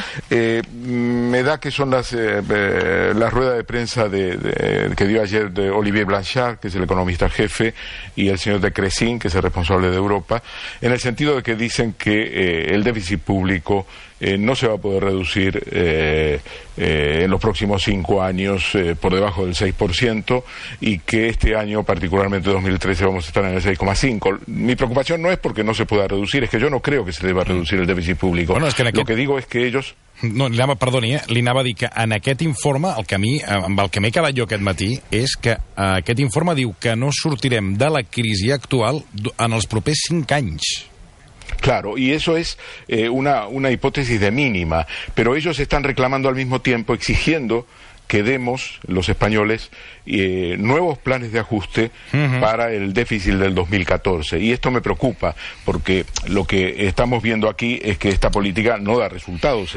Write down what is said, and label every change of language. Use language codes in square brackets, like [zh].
[es] me da que son la rueda de prensa que dio ayer de Olivier Blanchard, que es el economista jefe, y el señor de Crescín, que es el responsable de Europa, en el sentido de que dicen que el déficit público no se va a poder reducir en los próximos 5 años por debajo del 6%, y que este año, particularmente 2013, vamos a estar en el 6,5. Mi preocupación no es porque no se pueda reducir, es que yo no creo que se deba reducir el déficit público. Bueno, es que lo que digo es que ellos... [ca] No, li anava a dir que en aquest informe, el que a mi, amb el que m'he quedat jo aquest matí, és que aquest informe diu que no sortirem de la crisi actual en els propers 5 anys. [es] Claro, y eso es una hipótesis de mínima, pero ellos están reclamando al mismo tiempo, exigiendo que demos, los españoles, nuevos planes de ajuste para el déficit del 2014. Y esto me preocupa, porque lo que estamos viendo aquí es que esta política no da resultados.